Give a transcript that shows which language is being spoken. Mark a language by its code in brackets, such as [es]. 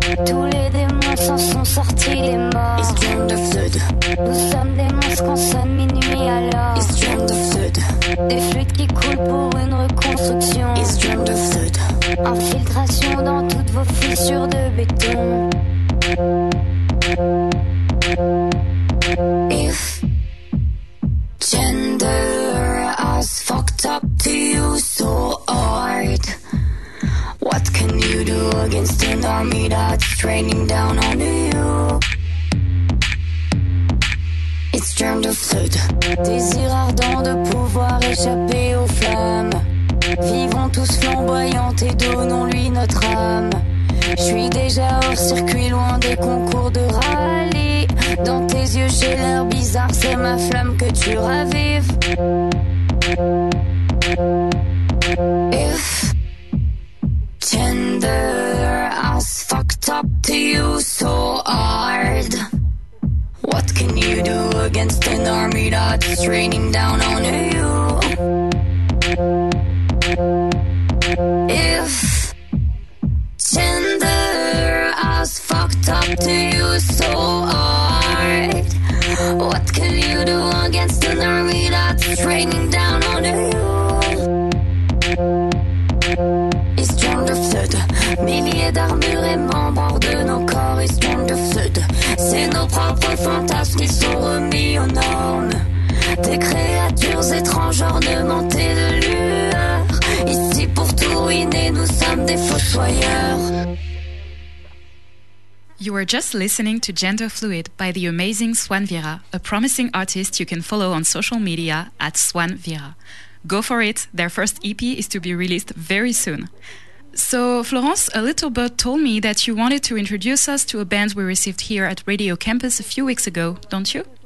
[fr] Tous les démons s'en sont sortis, les morts. [en] It's Gender Fluid. [fr] Nous sommes des monstres qu'on sonne minuit à l'heure. [en] It's Gender Fluid. [fr] Des fluides qui coulent pour une reconstruction. [en] It's Gender Fluid. [fr] Infiltration dans toutes vos fissures de béton. [en] If gender has fucked up to you so hard, what can you do against an army that's raining down on you? It's gender fluid. [fr] Désir ardent de pouvoir échapper aux flammes. Vivons tous flamboyantes et donnons-lui notre âme. J'suis déjà hors circuit, loin des concours de rallye. Dans tes yeux j'ai l'air bizarre, c'est ma flamme que tu ravives. [en] If gender has fucked up to you so hard, what can you do against an army that's raining down on you? If gender has fucked up to you so hard, what can you do against an army that's raining down on you? It's gender fluid. [fr] Milliers d'armures et membres de nos corps. [en] It's gender fluid. [fr] C'est nos propres fantasmes qui sont remis aux normes. Des créatures étranges ornementées de lueur. Ici pour tout ruiner, nous sommes des fossoyeurs. [en] You are just listening to Gender Fluid by the amazing Swan Vira, a promising artist you can follow on social media at Swan Vira. Go for it, their first EP is to be released very soon. So Florence, a little bird told me that you wanted to introduce us to a band we received here at Radio Campus a few weeks ago, don't you?